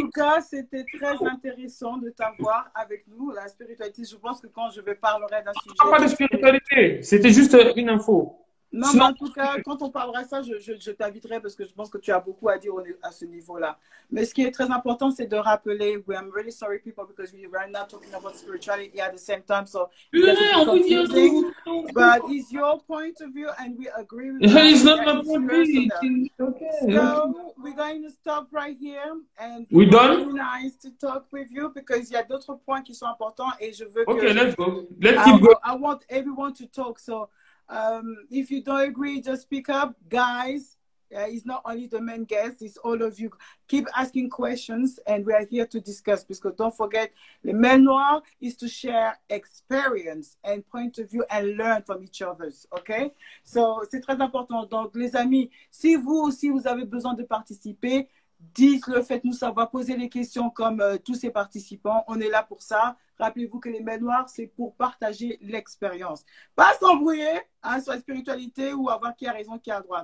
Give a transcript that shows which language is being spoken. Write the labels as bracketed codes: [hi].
[fr] tout cas, c'était très intéressant de t'avoir avec nous. La spiritualité, je pense que quand je vais parlerai d'un sujet... Je ne parle pas de spiritualité. C'était juste une info. Non, sinon... mais en tout cas, quand on parlera ça, je t'inviterai parce que je pense que tu as beaucoup à dire à ce niveau-là. Mais ce qui est très important, c'est de rappeler... [en] Oui, I'm really sorry, people, because we right now talking about spirituality at the same time. So, but it's your point of view and we agree with you. It's not my point of view. Okay. So, we're going to stop right here. And we're done? It's really nice to talk with you [fr] because il y a d'autres points qui sont importants et je veux que... [en] Okay, let's go. Let's keep going. I want everyone to talk, so... if you don't agree, just speak up, guys. Yeah, it's not only the main guest, it's all of you. Keep asking questions and we are here to discuss, because don't forget, le main noir is to share experience and point of view and learn from each other, okay? [fr] So, c'est très important. Donc, les amis, si vous aussi, vous avez besoin de participer, dites-le, faites-nous savoir, posez les questions comme tous ces participants. On est là pour ça. Rappelez-vous que les mains noires, c'est pour partager l'expérience. Pas s'embrouiller, hein, sur la spiritualité ou avoir qui a raison, qui a droit.